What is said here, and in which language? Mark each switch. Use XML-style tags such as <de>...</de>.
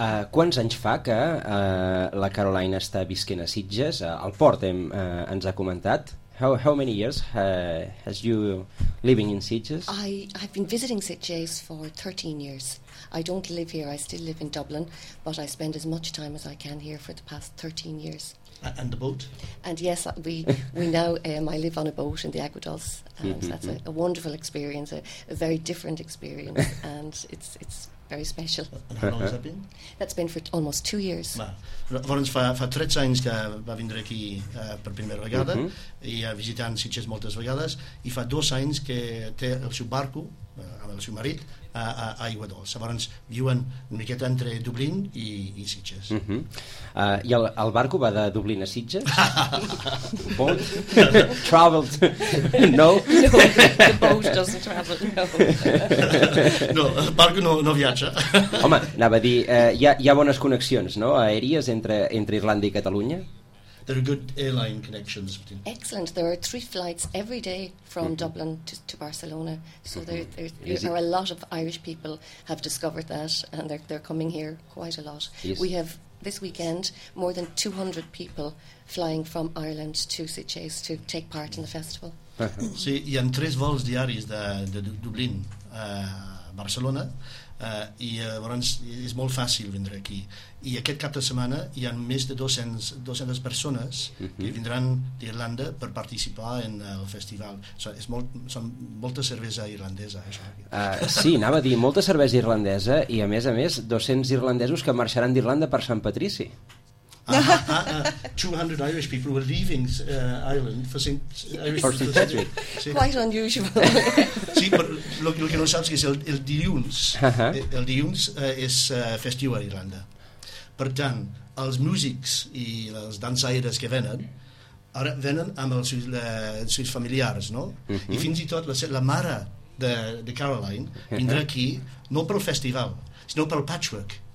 <ca>Quants anys fa que la Caroline està visquent a Sitges? Al port ens ha comentat.</ca> <en>How many years has you living in Sitges? I've been visiting Sitges for 13 years. I don't live here, I still live in Dublin, but I spend as much time as I can here for the past 13 years. And the boat? And yes, we now, I live on a boat in the Aguadals, and that's a wonderful experience, a very different experience, and it's very special. And how long has that been? That's been for almost 2 years.</en> <ca>Llavors fa 13 anys que va vindre aquí per primera vegada, i ha visitat Sitges moltes vegades, i fa 2 anys que té el seu barco, amb el seu marit, a Aigua Dolça. Llavors viuen una miqueta entre Dublín i Sitges. I el barco va de Dublín a Sitges?</ca> <en>Boat? Traveled? No? No, the boat doesn't travel, no.</en> <ca>No, el barco no viatja. Home, anava a dir, hi ha bones connexions, no? Aèries entre Irlanda i Catalunya?</ca> <en>There are good airline connections between. Excellent. There are 3 flights every day from Dublin to Barcelona. So there are a lot of Irish people have discovered that, and they're coming here quite a lot. Yes. We have this weekend more than 200 people flying from Ireland to Sitges to take part in the festival.</en> <ca>Sí, hi ha 3 vols diaris de Dublín a Barcelona. I llavors és molt fàcil vindre aquí, i aquest cap de setmana hi ha més de 200 persones que vindran d'Irlanda per participar en el festival. Són molta cervesa irlandesa, això. Sí, anava a dir, molta cervesa irlandesa, i a més 200 irlandesos que marxaran d'Irlanda per Sant Patrici.</ca> <en>200 Irish people were leaving Ireland for St. Patrick. Quite unusual.</en> <ca>Sí, però el que no saps és el dilluns. Uh-huh. El dilluns és festiu a Irlanda. Per tant, els músics i els dansaires que venen, ara venen amb els seus familiars, no? I fins i tot la mare de Caroline vindrà aquí, no pel festival, sinó pel patchwork.</ca>